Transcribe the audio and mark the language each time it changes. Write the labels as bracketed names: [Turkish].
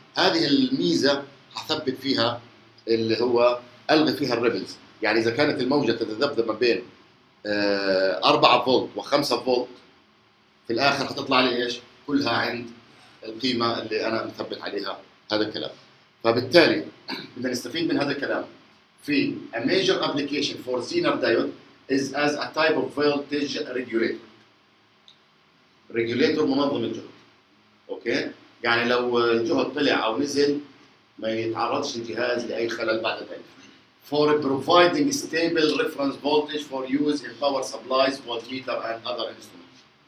[Arabic] هذه الميزة هثبت فيها اللي هو ألغي فيها الريبلز، يعني إذا كانت الموجة تتذبذب ما بين 4 فولت و 5 فولت في الآخر هتطلع لي إيش؟ كلها عند القيمة اللي أنا مثبت عليها هذا الكلام. فبالتالي بدنا نستفيد من هذا الكلام في [English] A major application for Zener diode is as a type of voltage regulator. [Arabic] regulator منظم الجهد. أوكي؟ يعني لو الجهد طلع أو نزل ما يتعرضش الجهاز لأي خلل بعد ذلك. [English] For providing stable reference voltage for use in power supplies, voltmeter and other instruments.